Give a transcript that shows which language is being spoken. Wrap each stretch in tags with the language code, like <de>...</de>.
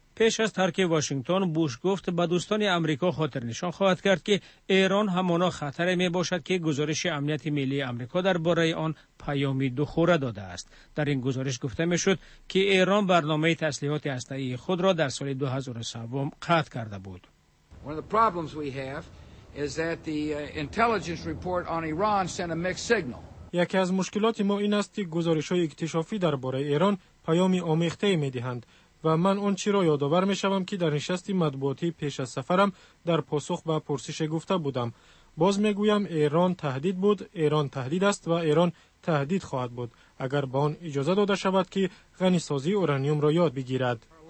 <fa>پیش از ترک واشنگتن بوش گفت به دوستان آمریکا خاطر نشان خواهد کرد که ایران همانا خطری می باشد که گزارش امنیت ملی آمریکا درباره آن پیامی دخوره داده است. در این گزارش گفته می شد که ایران برنامه تسلیحات هسته‌ای خود را در سال 2003 قطع کرده بود.</fa> <en>One of the problems we have is that the intelligence report on Iran sent a mixed signal.</en> <fa>یکی از مشکلات ما این است که گزارش های اکتشافی درباره ایران پیامی آمیخته می دهند. و من اون چی را یادآور می شوم که در نشست مطبوعاتی پیش از سفرم در پاسخ به پرسش گفته بودم. باز می گویم ایران تهدید بود، ایران تهدید است و ایران تهدید خواهد بود اگر به آن اجازه داده شود که غنی سازی اورانیوم را یاد بگیرد.</fa>